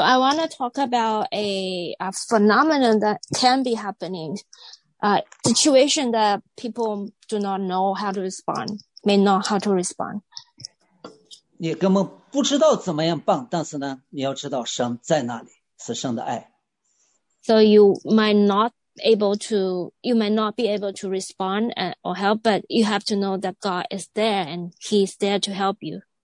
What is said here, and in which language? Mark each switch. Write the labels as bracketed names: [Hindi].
[English] I want to talk about a phenomenon that can be happening, a situation that people do not know how to respond, may not how to respond. [Chinese] 你根本不知道怎么样办，但是呢，你要知道神在那里，是神的爱。 [English] So you might not be able to respond or help, but you have to know that God is there and He is there to help you.